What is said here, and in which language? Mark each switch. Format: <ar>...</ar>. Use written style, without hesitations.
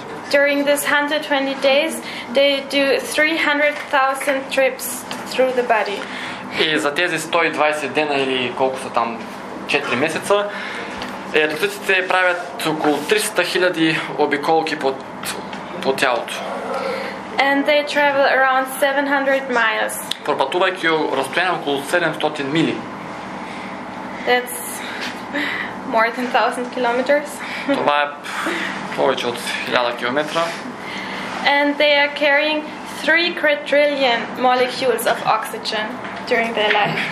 <en>During this 120 days, they do 300,000 trips through the body.</en> <bg>И за тези 120 дена или колко са там 4 месеца, еритроцитите правят около 300 000 обиколки по тялото.</bg> <en>And they travel around 700 miles.</en> <bg>Пропътувайки разстояние около 700 мили.</bg> <en>That's more than 1000 kilometers.</en> <bg>Това е повече от 1000 километра.</bg> <en>And they are carrying 3 quadrillion molecules of oxygen during their life.</en>